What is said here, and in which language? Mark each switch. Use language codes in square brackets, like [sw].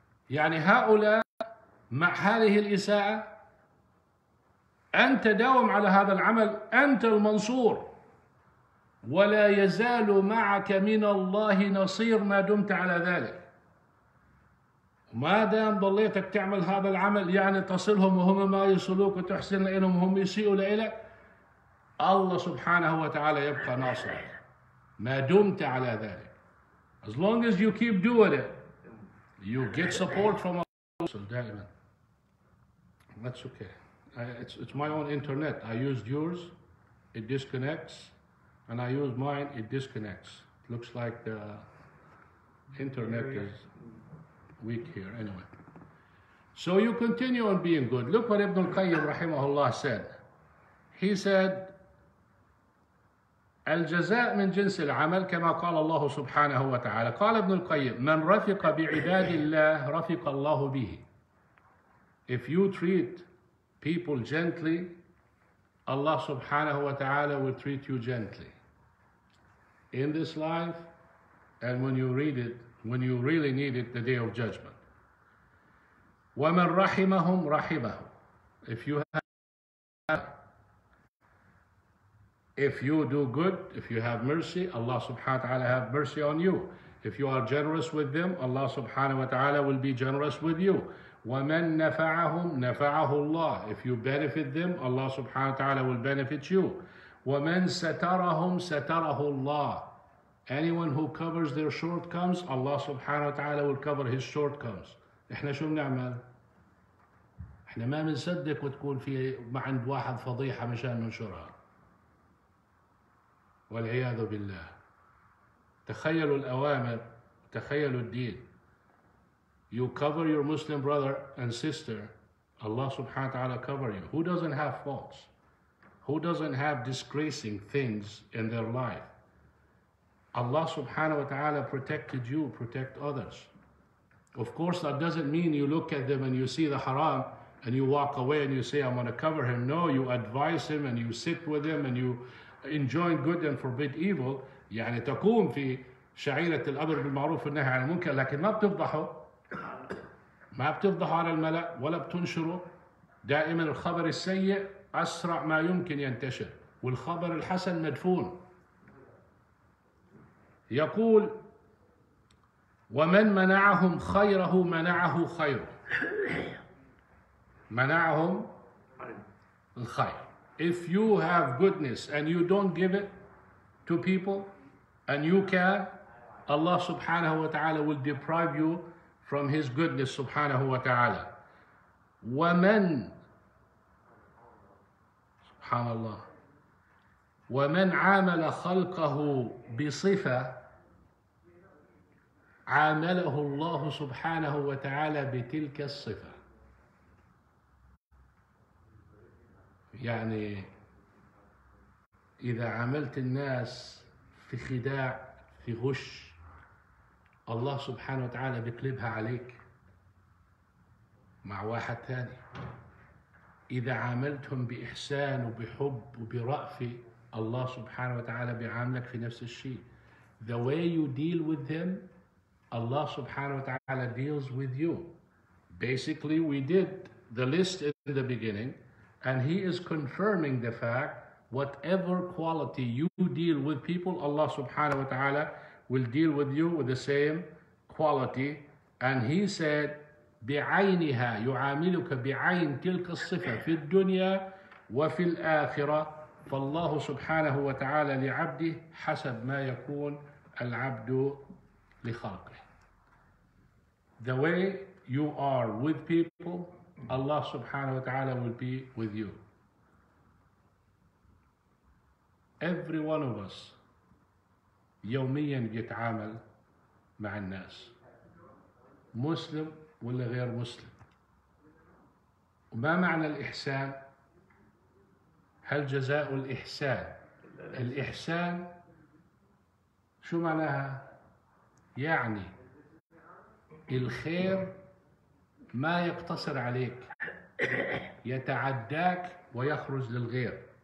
[ar] يعني هؤلاء مع هذه الإساءة أنت داوم على هذا العمل، أنت المنصور، ولا يزال معك من الله نصير ما دمت على ذلك. ما دام ضليتك تعمل هذا العمل يعني تصلهم وهم ما يصلوك وتحسن لهم وهم يسيئوا لإلك، الله سبحانه وتعالى يبقى ناصر ما دمت على ذلك. [en] As long as you keep doing it, you get support from Allah [ar] دائما. [en] That's okay. It's my own internet. I used yours, it disconnects, and I use mine, it disconnects. Looks like the internet is weak here anyway. So you continue on being good. Look what Ibn al-Qayyim rahimahullah said. He said, [ar] الجزاء من جنس العمل كما قال الله سبحانه وتعالى. قال ابن القيم من رفق بعباد الله رفق الله به. [en] If you treat people gently, Allah subhanahu wa ta'ala will treat you gently. In this life, and when you read it, when you really need it, the day of judgment. [ar] وَمَنْ رَحِمَهُمْ رَحِمَهُمْ. [en] If you have, if you do good, if you have mercy, Allah subhanahu wa ta'ala have mercy on you. If you are generous with them, Allah subhanahu wa ta'ala will be generous with you. [ar] وَمَنْ نَفَعَهُمْ نَفَعَهُ اللَّهُ. [en] If you benefit them, Allah subhanahu wa ta'ala will benefit you. [ar] وَمَنْ سَتَرَهُمْ سَتَرَهُ اللَّهُ. [en] Anyone who covers their shortcomings, Allah subhanahu wa ta'ala will cover his shortcomings. [ar] إحنا شو بنعمل؟ إحنا ما منصدق وتكون في ما عند واحد فضيحة مشان ننشرها، والعياذ بالله. تخيلوا الأوامر، تخيلوا الدين. [en] You cover your Muslim brother and sister, Allah subhanahu wa ta'ala cover you. Who doesn't have faults? Who doesn't have disgracing things in their life? Allah subhanahu wa ta'ala protected you, protect others. Of course, that doesn't mean you look at them and you see the haram and you walk away and you say, I'm going to cover him. No, you advise him and you sit with him and you enjoin good and forbid evil. [ar] يعني تقوم في شعيرة الأمر بالمعروف والنهي عن المنكر، لكن ما بتفضحه، ما بتفضح على الملأ ولا بتنشره. دائما الخبر السيء أسرع ما يمكن ينتشر، والخبر الحسن مدفون. يقول ومن منعهم خيره منعه خيره. منعهم الخير. [en] If you have goodness and you don't give it to people and you can, Allah subhanahu wa ta'ala will deprive you from his goodness subhanahu wa ta'ala. [ar] ومن سبحان الله ومن عامل خلقه بصفة عامله الله سبحانه وتعالى بتلك الصفة. يعني إذا عملت الناس في خداع في غش، الله سبحانه وتعالى بيقلبها عليك مع واحد ثاني. إذا عاملتهم بإحسان وبحب وبرأفة، الله سبحانه وتعالى بيعاملك في نفس الشيء. [en] The way you deal with them, Allah سبحانه وتعالى deals with you. Basically, we did the list in the beginning, and he is confirming the fact, whatever quality you deal with people, Allah subhanahu wa ta'ala will deal with you with the same quality. And he said, [ar] بعينها يعاملك بعين تلك الصفة في الدنيا وفي الآخرة، فالله سبحانه وتعالى لعبده حسب ما يكون العبد لخلقه. [en] The way you are with people, Allah subhanahu wa ta'ala will be with you. Every one of us [ar] يومياً بيتعامل مع الناس، مسلم ولا غير مسلم. وما معنى الإحسان؟ هل جزاء الإحسان؟ الإحسان شو معناها؟ يعني الخير ما يقتصر عليك، يتعداك ويخرج للغير.